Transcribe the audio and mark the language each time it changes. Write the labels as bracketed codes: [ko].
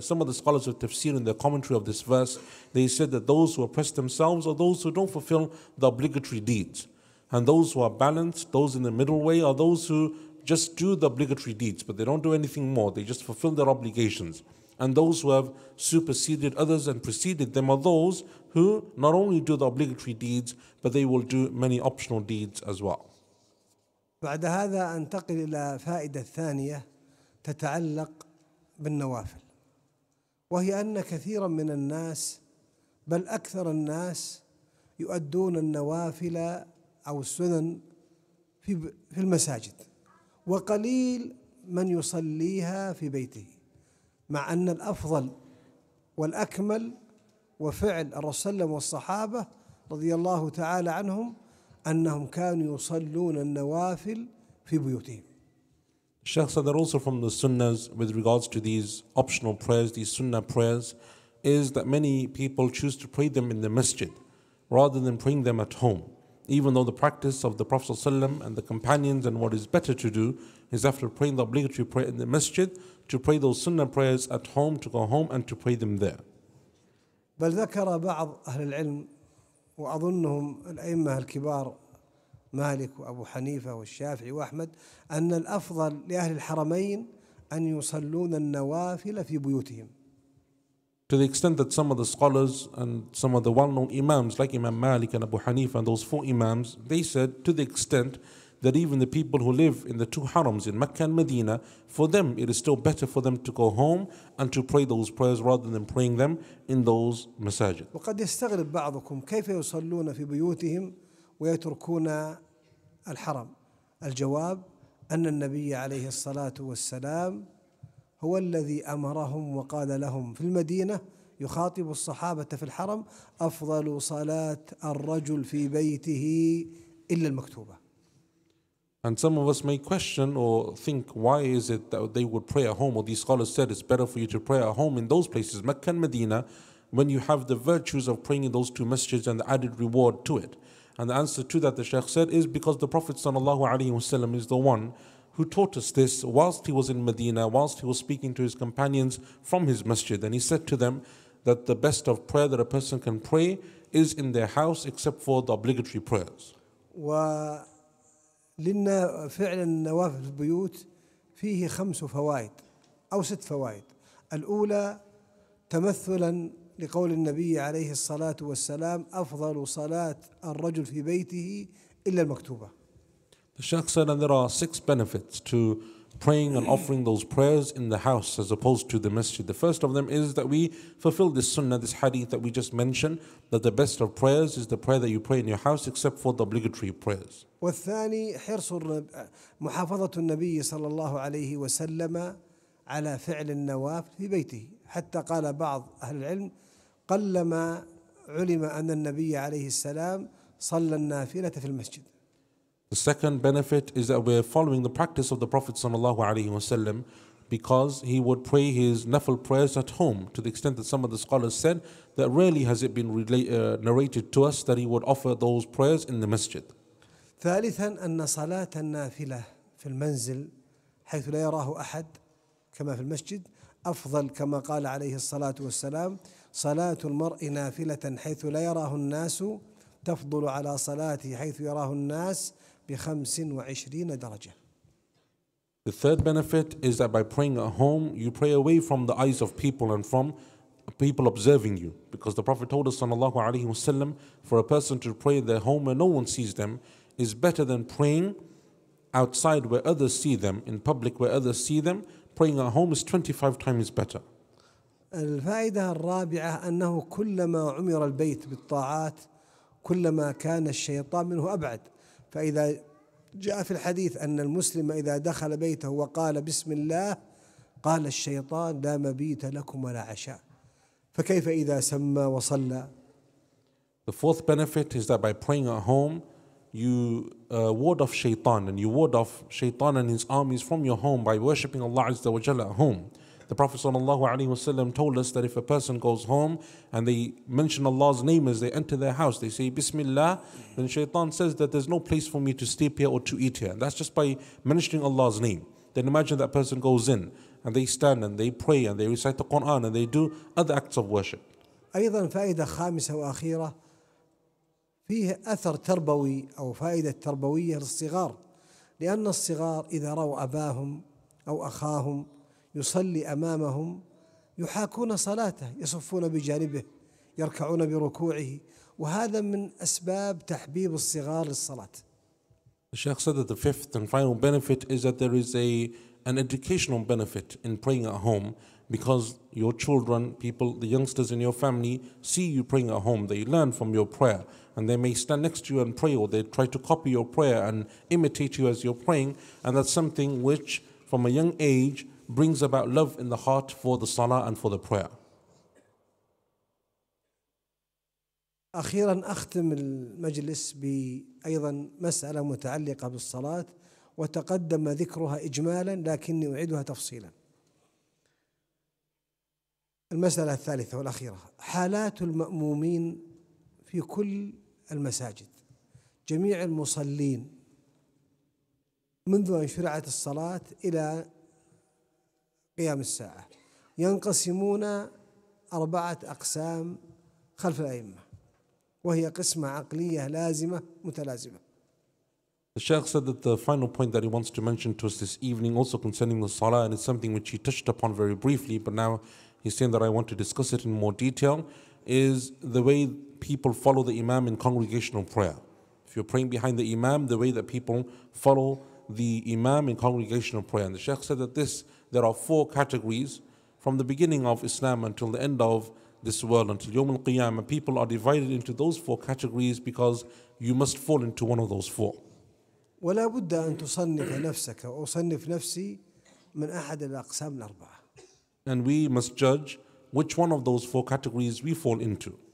[en] Some of the scholars of tafsir in their commentary of this verse, they said that those who oppress themselves are those who don't fulfill the obligatory deeds. And those who are balanced, those in the middle way, are those who just do the obligatory deeds, but they don't do anything more. They just fulfill their obligations. And those who have superseded others and preceded them are those who not only do the obligatory deeds, but they will do many optional deeds as well. [ar] بعد هذا أنتقل إلى فائدة ثانية تتعلق بالنوافل وهي أن كثيرا من الناس بل أكثر الناس يؤدون النوافل أو السنن في المساجد وقليل من يصليها في بيته مع أن الأفضل والأكمل وفعل الرسول صلى الله عليه وسلم والصحابة رضي الله تعالى عنهم أنهم كانوا يصلون النوافل في بيوتهم. [en] Shaykh said that also from the sunnahs with regards to these optional prayers, these sunnah prayers, is that many people choose to pray them in the masjid rather than praying them at home. Even though the practice of the Prophet ﷺ and the companions and what is better to do is after praying the obligatory prayer in the masjid to pray those sunnah prayers at home, to go home and to pray them there. [ar] بل ذكر بعض أهل العلم وأظنهم الأئمة الكبار مالك وأبو حنيفة والشافعي وأحمد أن الأفضل لأهل الحرمين أن يصلون النوافل في بيوتهم. [en] To the extent that some of the scholars and some of the well-known imams like Imam Malik and Abu Hanifa and those four imams, they said to the extent that even the people who live in the two harams in Mecca and Medina, for them it is still better for them to go home and to pray those prayers rather than praying them in those masajid. [ar] وقد يستغرب بعضكم كيف يصلون في بيوتهم ويتركون الحرم. الجواب أن النبي عليه الصلاة والسلام هو الذي أمرهم وقال لهم في المدينة يخاطب الصحابة في الحرم أفضل صلاة الرجل في بيته إلا المكتوبة. [en] And some of us may question or think, why is it that they would pray at home, or these scholars said it's better for you to pray at home in those places, Mecca and Medina, when you have the virtues of praying in those two masjids and the added reward to it. And the answer to that, the Shaykh said, is because the Prophet [ar] sallallahu alaihi wasallam [en] is the one who taught us this whilst he was in Medina, whilst he was speaking to his companions from his masjid. And he said to them that the best of prayer that a person can pray is in their house, except for the obligatory prayers. [ar] لنا فعل النوافل في البيوت فيه خمس فوائد أو ست فوائد. الأولى تمثلا لقول النبي عليه الصلاة والسلام أفضل صلاة الرجل في بيته إلا المكتوبة. [en] The Shaykh said that there are six benefits to praying and offering those prayers in the house as opposed to the masjid. The first of them is that we fulfill this sunnah, this hadith that we just mentioned, that the best of prayers is the prayer that you pray in your house except for the obligatory prayers. [ar] والثاني حرص محافظة النبي صلى الله عليه وسلم على فعل النوافل في بيته حتى قال بعض أهل العلم قلما علم أن النبي عليه السلام صلى النافلة في المسجد. [en] The second benefit is that we're following the practice of the Prophet [ar] sallallahu alaihi wasallam, [en] because he would pray his nafil prayers at home, to the extent that some of the scholars said that rarely has it been narrated to us that he would offer those prayers in the masjid. [ar] ثالثا أن صلاة النافلة في المنزل حيث لا يراه أحد كما في المسجد أفضل كما قال عليه الصلاة والسلام صلاة المرء نافلة حيث لا يراه الناس تفضل على صلاته حيث يراه الناس بخمس وعشرين درجة. [en] The third benefit is that by praying at home, you pray away from the eyes of people and from people observing you. Because the Prophet told us, [ar] sallallahu alaihi wasallam, [en] for a person to pray in their home and no one sees them is better than praying outside where others see them, in public where others see them. Praying at home is 25 times better. [ar] الفائدة الرابعة أنه كلما عمر البيت بالطاعات كلما كان الشيطان منه أبعد. فإذا جاء في الحديث أن المسلم إذا دخل بيته وقال بسم الله قال الشيطان لا مبيت لكم ولا عشاء فكيف إذا سمى وصلى. [en] The fourth benefit is that by praying at home you ward off shaitan, and you ward off shaitan and his armies from your home by worshipping Allah [ar] Azza wa Jalla [en] at home. The Prophet [ar] sallallahu alaihi wasallam [en] told us that if a person goes home and they mention Allah's name as they enter their house, they say Bismillah, then shaitan says that there's no place for me to sleep here or to eat here. And that's just by mentioning Allah's name. Then imagine that person goes in and they stand and they pray and they recite the Quran and they do other acts of worship. [ar] أيضا فائدة خامسة وأخيرة فيه أثر تربوي أو فائدة تربوية للصغار لأن الصغار إذا رأوا أباهم أو أخاهم يصلي أمامهم يحاكون صلاته، يصفون بجانبه، يركعون بركوعه، وهذا من أسباب تحبيب الصغار للصلاة. [en] Sheikh said that the fifth and final benefit is that there is an educational benefit in praying at home, because your children, people, the youngsters in your family see you praying at home. They learn from your prayer, and they may stand next to you and pray, or they try to copy your prayer and imitate you as you're praying. And that's something which, from a young age, brings about love in the heart for the salah and for the prayer. [ar] أخيرا أختم المجلس بأيضا مسألة متعلقة بالصلاة وتقدم ذكرها إجمالا لكني أعيدها تفصيلا. المسألة الثالثة والأخيرة، حالات المأمومين في كل المساجد، جميع المصلين منذ أن شرعت الصلاة إلى قيام الساعة ينقسمون أربعة أقسام خلف الأئمة، وهي قسمة عقلية لازمة متلازمة. [en] The Shaykh said that the final point that he wants to mention to us this evening, also concerning the Salah, and it's something which he touched upon very briefly, but now he's saying that I want to discuss it in more detail, is the way people follow the Imam in congregational prayer. If you're praying behind the Imam, the way that people follow the Imam in congregational prayer. And the Shaykh said that there are four categories from the beginning of Islam until the end of this world, until Yawm al-Qiyamah. People are divided into those four categories because you must fall into one of those four. [ar] ولا بد أن تصنف نفسك أو صنف نفسي من أحد الأقسام الأربعة. [en] And we must judge which one of those four categories we fall into.